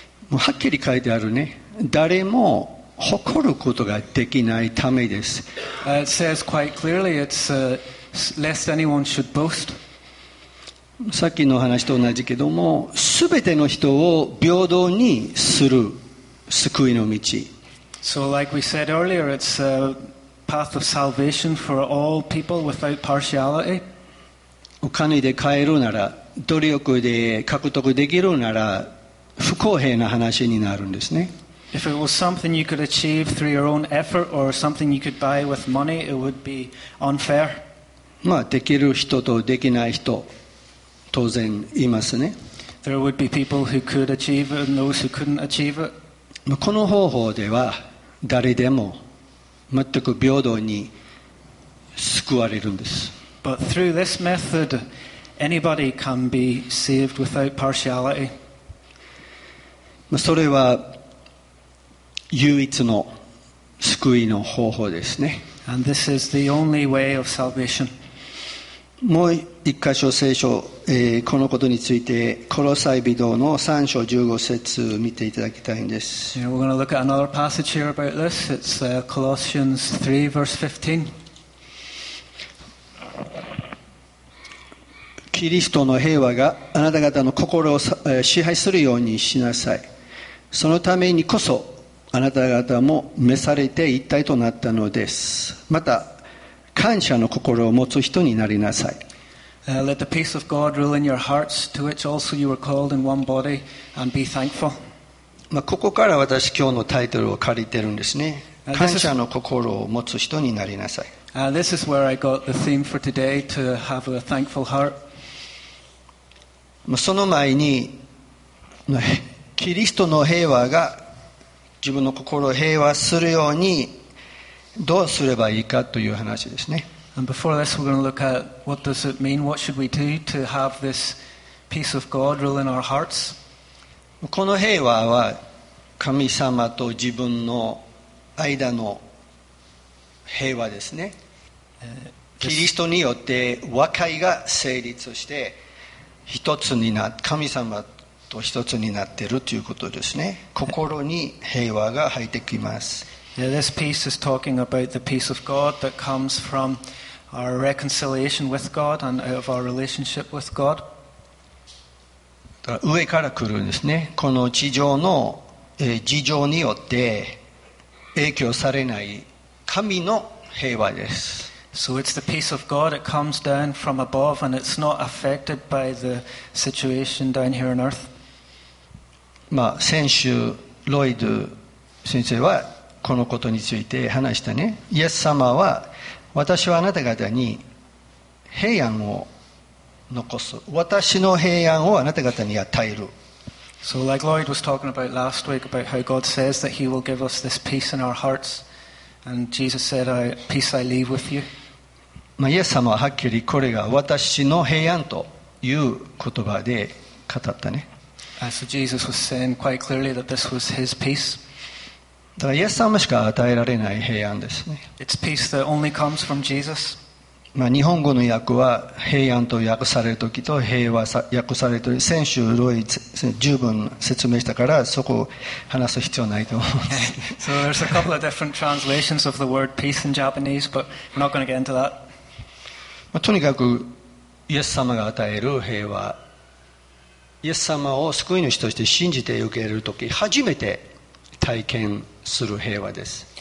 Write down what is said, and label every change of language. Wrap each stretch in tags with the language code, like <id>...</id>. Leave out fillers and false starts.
<ja>もうはっきり書いてあるね。誰も誇ることができないためです。</ja> <en>It says quite clearly it's lest anyone should boast.</en> <ja>さっきの話と同じけども、すべての人を平等にする救いの道。</ja> <en>So like we said earlier, it's a path of salvation for all people without partiality.</en> <ja>お金で買えるなら、努力で獲得できるなら、不公平な話になるんですね。</ja> <en>If it was something you could achieve through your own effort or something you could buy with money, it would be unfair.</en> <ja>まあ、できる人とできない人、当然いますね。</ja> <en>There would be people who could achieve it and those who couldn't achieve it.</en> <ja>この方法では誰でも全く平等に救われるんです。</ja> <en>But through this method, anybody can be saved without partiality.</en> <ja>それは唯一の救いの方法ですね。</ja> <en>And this is the only way of salvation.</en> <ja>もう一箇所聖書、このことについてコロサイ人の3章15節を見ていただきたいんです。</ja> <en>Yeah, we're going to look at another passage here about this. It's Colossians 3 verse 15.</en> <ja>キリストの平和があなた方の心を支配するようにしなさい。そのためにこそあなた方も召されて一体となったのです。また感謝の心を持つ人になりなさい。</ja> <en>Let the peace of God rule in your hearts, to which also you were called in one body, and be thankful.</en> <ja>まあここから私今日のタイトルを借りてるんですね。感謝の心を持つ人になりなさい。</ja> <en>This is where I got the theme for today, to have a thankful heart.</en> <ja>その前に、キリストの平和が自分の心を平和するようにどうすればいいかという話ですね。</ja> <en>And before this, we're going to look at what does it mean, what should we do to have this peace of God rule in our hearts.</en> <ja>この平和は神様と自分の間の平和ですね。キリストによって和解が成立して一つにな、神様と一つになっているということですね。心に平和が入ってきます。</ja> <en>yeah, This piece is talking about the peace of God that comes from our reconciliation with God and out of our relationship with God.</en> <ja>上から来るんですね。この地上の、事情によって影響されない神の平和です。</ja> <en>So it's the peace of God. It comes down from above, and it's not affected by the situation down here on earth.</en> <ja>まあ先週ロイド先生はこのことについて話したね。イエス様は私はあなた方に平安を残す。私の平安をあなた方に与える。</ja> <en>So like Lloyd was talking about last week about how God says that He will give us this peace in our hearts, and Jesus said, "Peace I leave with you."</en> <ja>まあ、イエス様ははっきりこれが私の平安という言葉で語ったね。</ja> <en>So Jesus was saying quite clearly that this was his peace.</en> <ja>だからイエス様しか与えられない平安ですね。</ja> <en>It's peace that only comes from Jesus.</en> <ja>まあ日本語の訳は平安と訳されるときと平和さ訳されるとき、先週ロイ十分説明したからそこを話す必要ないと思います。</ja> <en>So there's a couple of different translations of the word peace in Japanese, but we're not going to get into that.</en> <ja>とにかくイエス様が与える平和、イエス様を救い主として信じて受けるとき初めて体験する平和です。</ja>